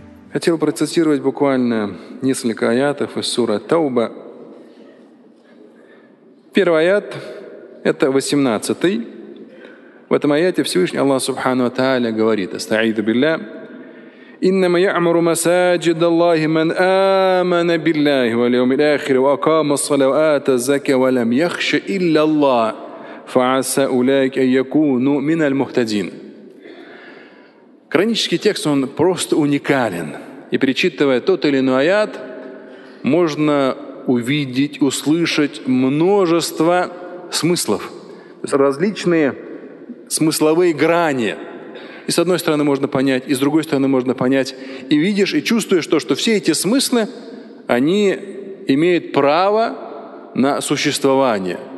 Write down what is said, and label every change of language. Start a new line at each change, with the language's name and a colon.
Russian: Хотел процитировать буквально несколько аятов из суры Тауба. Первый аят — это 18-й. В этом аяте Всевышний Аллах Субхану ва Тааля говорит: «Астаиду билля».
Arabic: إنما يعمر مساجد الله من آمن بالله واليوم الآخر وأقام الصلاة وآتى الزكاة ولم يخش إلا الله فعسى أولئك أن يكونوا من المهتدين.
Russian: Коранический текст, он просто уникален. И перечитывая тот или иной аят, можно увидеть, услышать множество смыслов, различные смысловые грани. И с одной стороны можно понять, и с другой стороны можно понять. И видишь, и чувствуешь то, что все эти смыслы, они имеют право на существование.